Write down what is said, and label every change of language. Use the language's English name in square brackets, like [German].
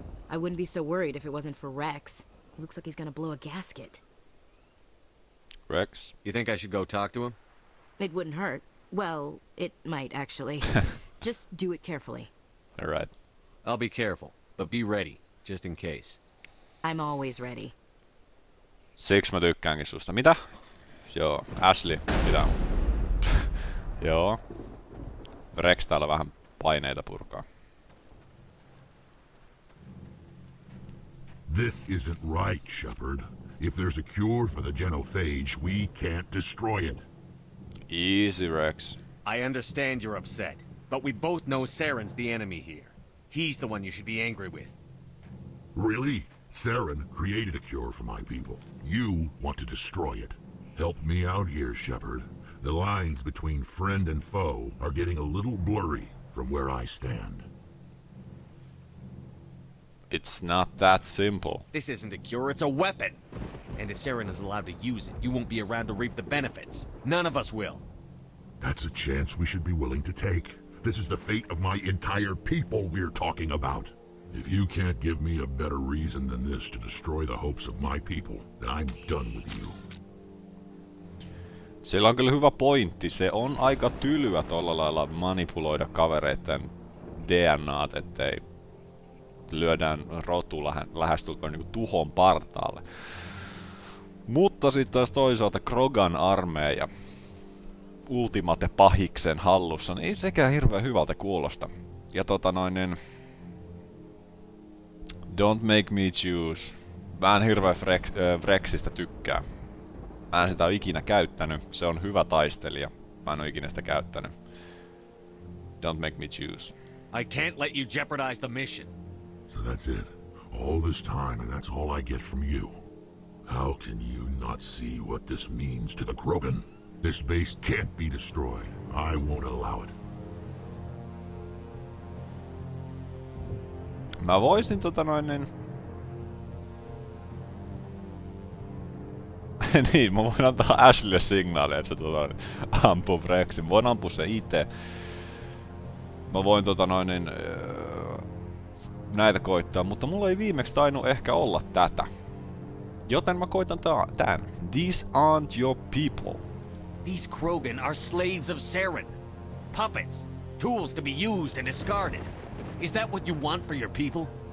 [English] I wouldn't be so worried if it wasn't for Rex. Looks like he's gonna blow a gasket. Rex? You think I should go talk to him? It wouldn't hurt. Well, it might, actually. Just do it carefully. All right. I'll be careful, but be ready, just in case. I'm always ready. [Finnish] Siksi mä tykkäänkin susta. Mitä? Joo, Ashley, mitä? Joo. Rex täällä vähän paineita purkaa. [English] This isn't right, Shepard. If there's a cure for the genophage, we can't destroy it. Easy, Rex. I understand you're upset, but we both know Saren's the enemy here. He's the one you should be angry with. Really? Saren created a cure for my people. You want to destroy it. Help me out here, Shepard. The lines between friend and foe are getting a little blurry from where I stand. It's not that simple. This isn't a cure, it's a weapon. And if Saren is allowed to use it, you won't be around to reap the benefits. None of us will. That's a chance we should be willing to take. This is the fate of my entire people we're talking about. If you can't give me a better reason than this to destroy the hopes of my people, then I'm done with you. [Finnish] Sillä on kyllä hyvä pointti. Se on aika tylyä tolla lailla manipuloida kavereiden DNAt, ettei lyödään rotu lähestulkoon niinku tuhon partaalle. Mutta sitten taas toisaalta Krogan armeija ultimate pahiksen hallussa, niin ei sekään hirveän hyvältä kuulosta. Ja tota noin niin, [English] don't make me choose. [Finnish] Mä en hirveän Rexistä tykkää. Mä en sitä ole ikinä käyttänyt. Se on hyvä taistelija. Mä en ole ikinä sitä käyttänyt. [English] Don't make me choose. I can't let you jeopardize the mission. So that's it. All this time and that's all I get from you. How can you not see what this means to the Krogan? This base can't be destroyed. I won't allow it. [Finnish] Mä voisin tota noin niin... niin, mä voin antaa Ashleylle signaaleja, että se tota noin ampuu Rexin. Voin ampua sen itse. Mä voin tota noin niin... näitä koittaa, mutta mulla ei viimeksi tainu ehkä olla tätä. Joten mä koitan tän. [English] These aren't your people. These Krogan are slaves of Saren. Puppets. Tools to be used and discarded. Is that what you want for your people?